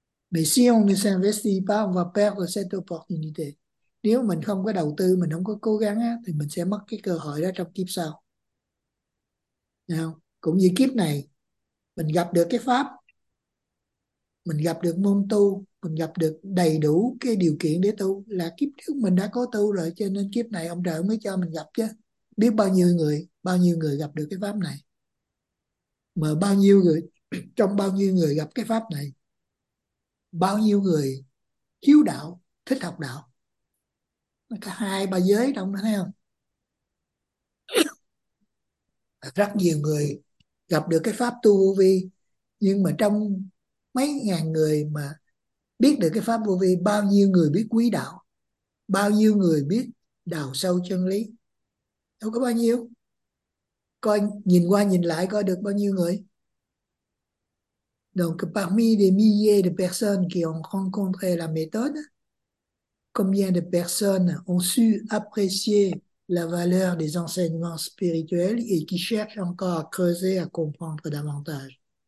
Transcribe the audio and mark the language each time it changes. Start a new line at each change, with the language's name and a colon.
French: Mais si on ne s'investit pas, on va perdre cette opportunité.
Vietnamese: Nếu mình không có đầu tư, mình không có cố gắng á, thì mình sẽ mất cái cơ hội đó trong kiếp sau. Nào, cũng như kiếp này, mình gặp được cái pháp, mình gặp được môn tu, mình gặp được đầy đủ cái điều kiện để tu, là kiếp trước mình đã có tu rồi, cho nên kiếp này ông trời mới cho mình gặp chứ. Biết bao nhiêu người gặp được cái pháp này, mà bao nhiêu người, trong bao nhiêu người gặp cái pháp này, bao nhiêu người hiếu đạo, thích học đạo, cả hai ba giới trong đó, thấy không? Rất nhiều người gặp được cái pháp tu vô vi, nhưng mà trong mấy ngàn người mà biết được cái pháp vô vi, bao nhiêu người biết quý đạo, bao nhiêu người biết đào sâu chân lý, đâu có bao nhiêu. Coi nhìn qua nhìn lại coi được bao nhiêu người.
French: Donc parmi des milliers de personnes qui ont rencontré la méthode, combien de personnes ont su apprécier la valeur des enseignements spirituels et qui cherchent encore à creuser, à comprendre davantage.